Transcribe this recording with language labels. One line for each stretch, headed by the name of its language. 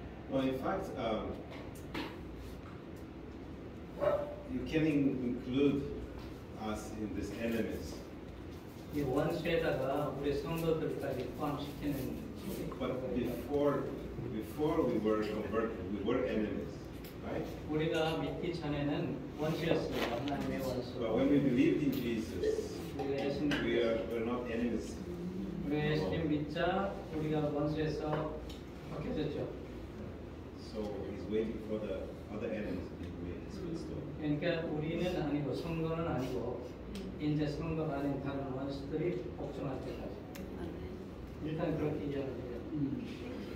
English: Well, in fact, you can include us in this enemies. Yeah, one shade
Korean: 가 우리 성도들까지 포함시키는.
English: But before we were converted, we were enemies, right?
Korean: 우리가 믿기 전에는 원수였습니다. 하나님의 원수.
English: But when we believed in Jesus. We are not enemies.
Korean: 우리 예수님 믿자 우리가 원수에서 벗겨졌죠.
English: So he's waiting for the other enemies to be restored.
Korean: 그러니까 우리는 아니고 성도는 아니고 이제 성도 아닌 다른 원수들이 복종할 때까지. 일단 그렇게 이해하면 돼요.